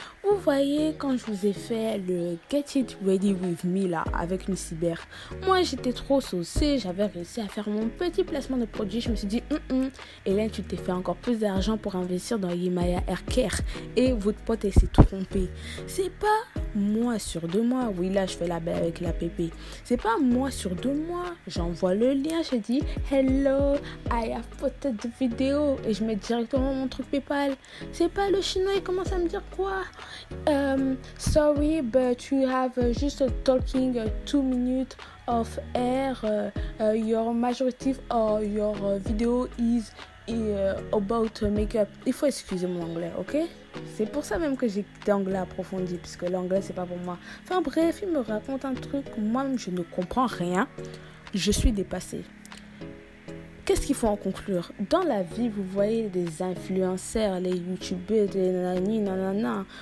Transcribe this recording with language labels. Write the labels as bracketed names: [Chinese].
[French] Vous voyez, quand je vous ai fait le get it ready with me là avec une cyber, moi j'étais trop saucée, j'avais réussi à faire mon petit placement de produit, je me suis dit et là tu t'es fait encore plus d'argent pour investir dans Yemaya Aircare et votre pote elle s'est trompée. C'est pas moi sûr de moi. Oui, là je fais la belle avec la pépé. C'est pas moi sûr de moi. J'envoie le lien, je dis [English] hello, I have posted the video [French] et je mets directement mon truc PayPal. C'est pas le chinois, il commence à me dire quoi? [English] Sorry, but you have just talking 2 minutes of air. Your majority of your video is about makeup. [French] Il faut excuser mon anglais, ok? C'est pour ça même que j'ai quitté l'anglais approfondi, puisque l'anglais c'est pas pour moi. Enfin bref, il me raconte un truc, moi-même je ne comprends rien. Je suis dépassée. Qu'est-ce qu'il faut en conclure? Dans la vie, vous voyez des influenceurs, les youtubeurs, les nanani, nanana.